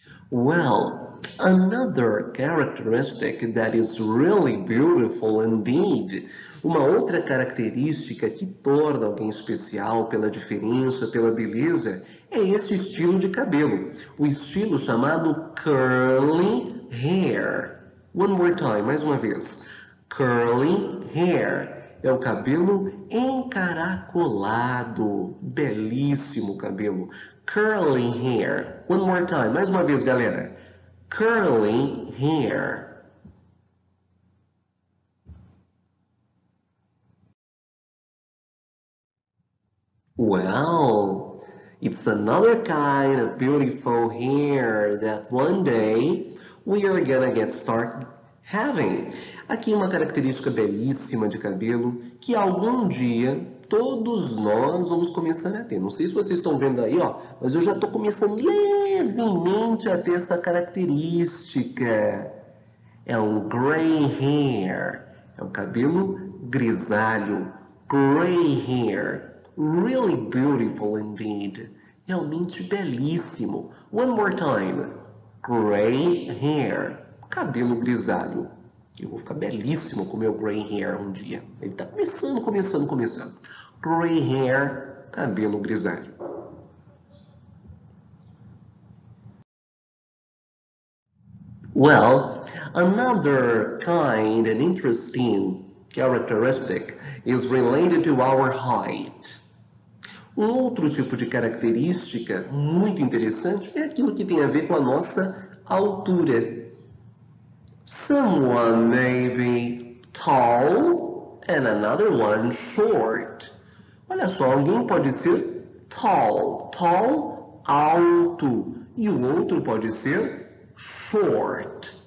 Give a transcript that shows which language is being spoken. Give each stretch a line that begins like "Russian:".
English: Well, another characteristic that is really beautiful indeed.
Portuguese: Uma outra característica que torna alguém especial pela diferença, pela beleza. É esse estilo de cabelo, o estilo chamado curly hair.
English: One more time,
Portuguese: mais uma vez. Curly hair é o cabelo encaracolado. Belíssimo cabelo. Curly hair.
English: One more time,
Portuguese: mais uma vez, galera. Curly hair.
English: Well. It's another kind of beautiful hair that one day we are gonna get start having.
Portuguese: Aqui uma característica belíssima de cabelo que algum dia todos nós vamos começar a ter. Não sei se vocês estão vendo aí, ó, mas eu já estou começando levemente a ter essa característica. É um gray hair. É um cabelo grisalho.
English: Gray hair. Really beautiful indeed.
Portuguese: Realmente belíssimo.
English: One more time. Gray hair.
Portuguese: Cabelo grisalho. Eu vou ficar belíssimo com meu gray hair um dia. Ele tá começando, começando, começando. Gray hair, cabelo grisalho.
English: Well, another kind and interesting characteristic is related to our height.
Portuguese: Um outro tipo de característica muito interessante é aquilo que tem a ver com a nossa altura.
English: Someone may be tall and another one short.
Portuguese: Olha só, alguém pode ser tall, tall, alto, e o outro pode ser short.